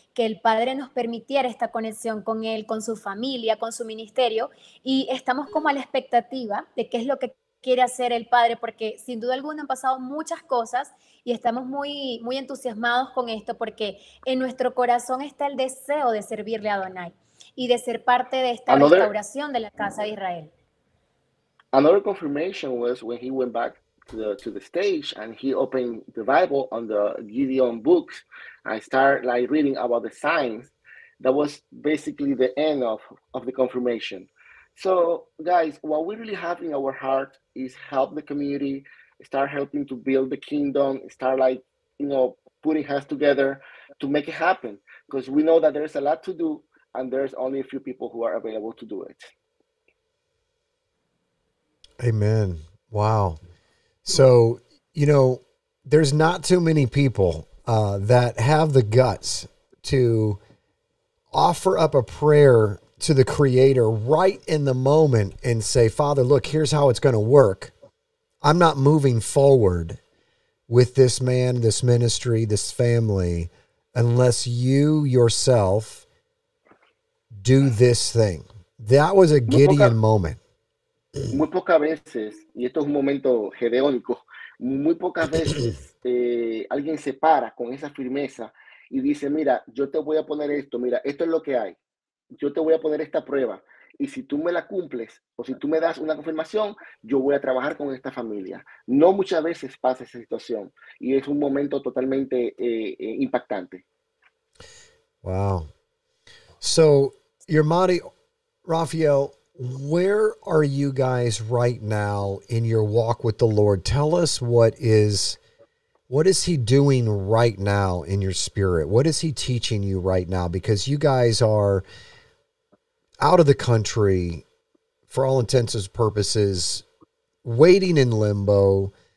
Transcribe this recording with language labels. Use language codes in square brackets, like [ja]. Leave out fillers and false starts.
[es] el Padre nos permitiera esta conexión con él, con su familia, con su ministerio, y estamos como a la expectativa de qué es lo que quiere hacer el Padre, porque sin duda alguna han pasado muchas cosas y estamos muy, muy entusiasmados con esto porque en nuestro corazón está el deseo de servirle a Adonai y de ser parte de esta restauración de la casa de Israel. [en] Another confirmation was when he went back to the stage and he opened the Bible on the Gideon books and started like reading about the signs. That was basically the end of the confirmation. So guys, what we really have in our heart is help the community, start helping to build the kingdom, start like, you know, putting hands together, to make it happen, because we know that there's a lot to do and there's only a few people who are available to do it. Amen. Wow. So, you know, there's not too many people that have the guts to offer up a prayer to the Creator right in the moment and say, Father, look, here's how it's going to work. I'm not moving forward with this man, this ministry, this family, unless you yourself do this thing. That was a Gideon moment. [es] Muy pocas veces, y esto es un momento gedeónico, muy pocas veces alguien se para con esa firmeza y dice, mira, yo te voy a poner esto, mira, esto es lo que hay. Yo te voy a poner esta prueba y si tú me la cumples o si tú me das una confirmación, yo voy a trabajar con esta familia. No muchas veces pasa esa situación y es un momento totalmente impactante. [en] Wow. So, your Mari, Rafael, where are you guys right now in your walk with the Lord? Tell us what is he doing right now in your spirit? What is he teaching you right now? Because you guys are out of the country, for all intents and purposes, waiting in limbo.